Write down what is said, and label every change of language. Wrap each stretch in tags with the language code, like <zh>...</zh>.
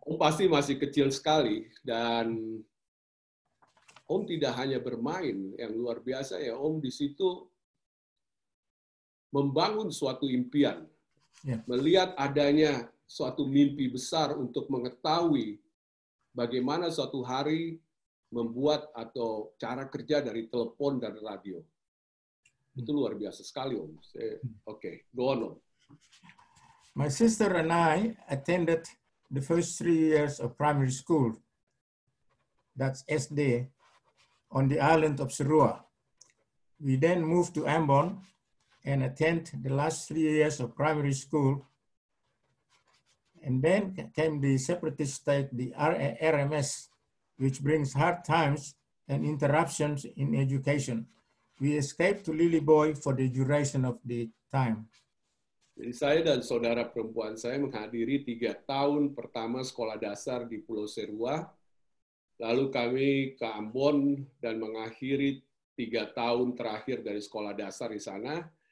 <id>Om pasti masih kecil sekali dan Om tidak hanya bermain yang luar biasa ya, Om di situ membangun suatu impian. Ya. Melihat adanya suatu mimpi besar untuk mengetahui bagaimana suatu hari membuat atau cara kerja dari telepon dan radio. Itu luar biasa sekali, Om.</id> <en>Okay, go on, Om. My sister and I attended the first 3 years of primary school, that's SD, on the island of Serua. We then moved to Ambon and attend the last 3 years of primary school. And then came the separatist state, the RMS, which brings hard times and interruptions in education. We escaped to Lilleboy for the duration of the time.</en> <id>Jadi saya dan saudara perempuan saya menghadiri 3 tahun pertama sekolah dasar di Pulau Serua, lalu kami ke Ambon dan mengakhiri 3 tahun terakhir dari sekolah dasar di sana.</id>